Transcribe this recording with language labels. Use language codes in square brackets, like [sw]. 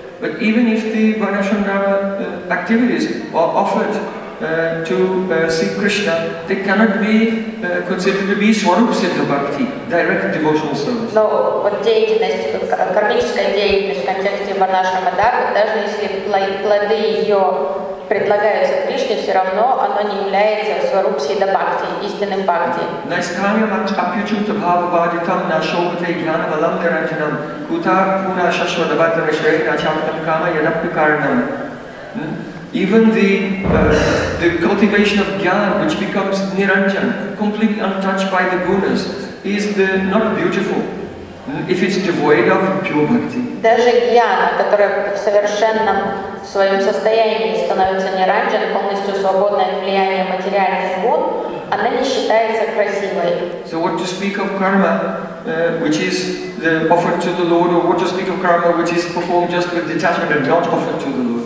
[en] But even if the Varnashram Dharma activities are offered to see Krishna, they cannot be considered to be swarupa siddha bhakti, direct devotional service. [ru] Но вот деятельность, кармическая деятельность в контексте Varnashrama Dharma, даже если плоды ее предлагаются Кришне, все равно оно не является сварупа сиддха бхакти, истинным бхакти. [sa] Найскамья мач апьючута бхава бхаджитам нашоуте гьяна валам гаранджинам кутар пуна шашвадабхата вишрейна чамтам кама ядаппикарнам. [en] Even the cultivation of gyan, which becomes niranjan, completely untouched by the gunas, is not beautiful if it's devoid of pure bhakti. [ru] Даже гьян, который в совершенном своем состоянии становится ниранджан, полностью свободное от влияния материальных гун, она не считается красивой. [en] So what to speak of karma, which is offered to the Lord, or what to speak of karma, which is performed just with detachment and not offered to the Lord?